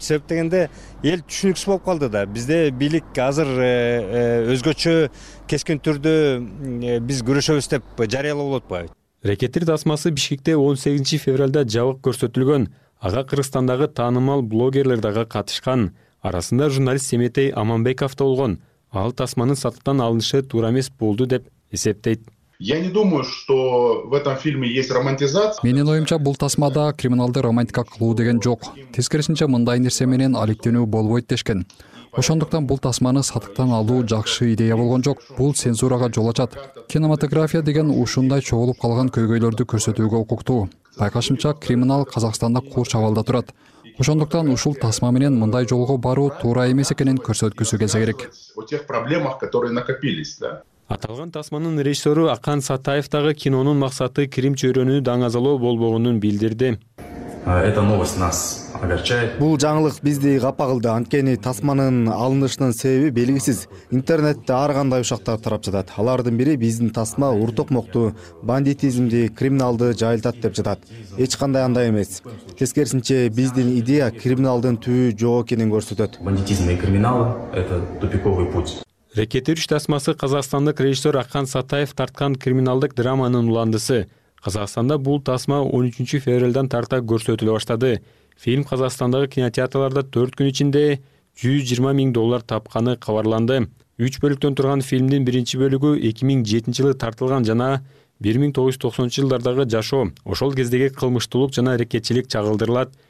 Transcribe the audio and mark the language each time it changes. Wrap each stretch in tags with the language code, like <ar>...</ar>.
<ky>Себеп дегенде эл түшүнүксүз болуп калды да. Бизде бийлик азыр өзгөчө кескин түрдө биз күрөшөбүз деп жарыялап болуп атпайбы? Рекеттер тасмасы Бишкекте 18 февралда жабык көрсөтүлгөн. Ага Кыргызстандагы таанымал блогерлер дагы катышкан. Арасында журналист Семетей Аманбеков да болгон. Ал тасманын сатыптан алынышы туура эмес болду деп эсептейт.</ky> <ru>Я не думаю, что в этом фильме есть романтизация.</ru> <ky>Менин оюмча бул тасмада криминалды романтика кылуу деген жок. Тескерисинче мындай нерсе менен алектенүү болбойт дешкен. Ошондуктан бул тасманы сатыктан алуу жакшы идея болгон жок. Бул цензурага жол ачат. Кинематография деген ушундай чогулуп калган көйгөйлөрдү көрсөтүүгө укуктуу. Байкашымча, криминал Казакстанда курч абалда турат. Ошондуктан ушул тасма менен мындай жолго баруу туура эмес экенин көрсөткүсү келсе керек. Аталган тасманын режиссёру Акан Сатаевдагы кинонун максаты крим чөйрөнү даңазалоо болбогонун билдирди.</ky> <ru>Это новость нас огорчает.</ru> <ky>Бул жаңылык бизди капа кылды, анткени тасманын алынышынын себеби белгисиз. Интернетте ар кандай ушактар тарап жатат. Алардын бири биздин тасма уртук мокту, бандитизмди, криминалды жайылтат деп жатат. Эч кандай андай эмес. Тескерисинче биздин идея криминалдын түбү жок экенин көрсөтөт.</ky> <ru>Бандитизм и криминал это тупиковый путь.</ru> <ky>Рекеттер үч тасмасы казакстандык режиссер Акан Сатаев тарткан криминалдык драманын уландысы. Казакстанда бул тасма 13 февралдан тарта көрсөтүлө баштады. Фильм Казакстандагы кинотеатрларда 4 күн ичинде 120 000 доллар тапканы кабарланды. 3 бөлүктөн турган фильмдин биринчи бөлүгү 2007 жылы тартылган жана 1990 жылдардагы жашоо, ошол кездеги кылмыштуулук жана аракетчилик чагылдырылат.</ky>